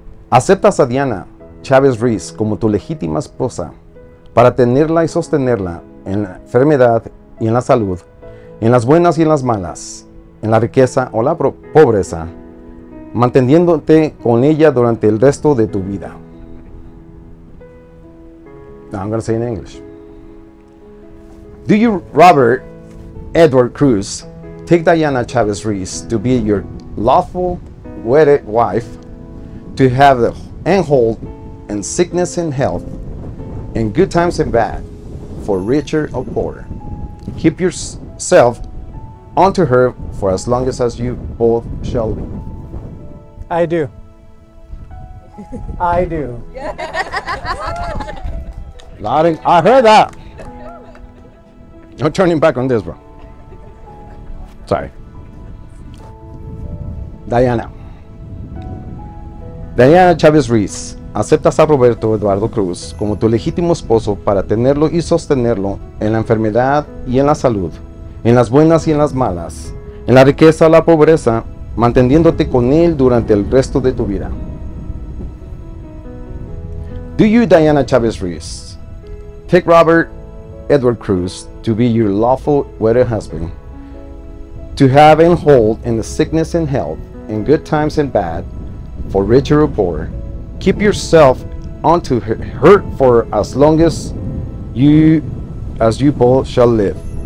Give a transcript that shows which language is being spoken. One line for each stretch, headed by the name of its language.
Spanish: ¿Aceptas a Diana Chávez Ruiz como tu legítima esposa para tenerla y sostenerla en la enfermedad y en la salud, en las buenas y en las malas, en la riqueza o la pobreza, manteniéndote con ella durante el resto de tu vida?
English: Now I'm going to say in English. Do you, Robert Edward Cruz, take Diana Chávez Ruiz to be your lawful wedded wife, to have and hold in sickness and health, in good times and bad, for richer or poorer. Keep yourself unto her for as long as you both shall live. I do. I do. Lauren, I heard that. No turning back on this, bro. Sorry. Diana.
Spanish: Diana Chávez Ruiz, ¿aceptas a Roberto Eduardo Cruz como tu legítimo esposo para tenerlo y sostenerlo en la enfermedad y en la salud, en las buenas y en las malas, en la riqueza o la pobreza, manteniéndote con él durante el resto de tu vida?
English: Do you, Diana Chávez Ruiz, take Robert Edward Cruz to be your lawful wedded husband, to have and hold in the sickness and health, in good times and bad, for richer or poorer, keep yourself unto her for as long as you both shall live.